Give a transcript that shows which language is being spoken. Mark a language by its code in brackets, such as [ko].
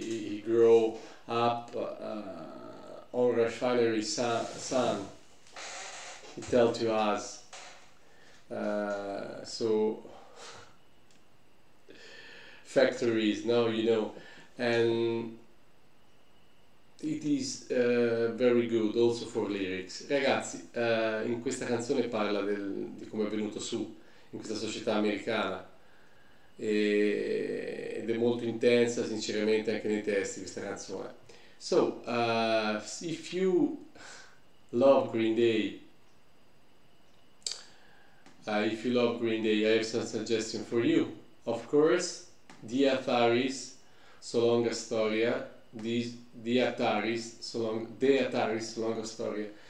[en] He grew up on Refinery Sun. He tell to us. So factories, now you know, and it is very good also for lyrics. [it] Ragazzi, in questa canzone parla di come è venuto su in questa società americana, ed è molto intensa sinceramente anche nei testi questa canzone. [en] So if you love Green Day, if you love Green Day, I have some suggestion for you. Of course, The Ataris, So Long a Storia. The Ataris, So Long a Storia.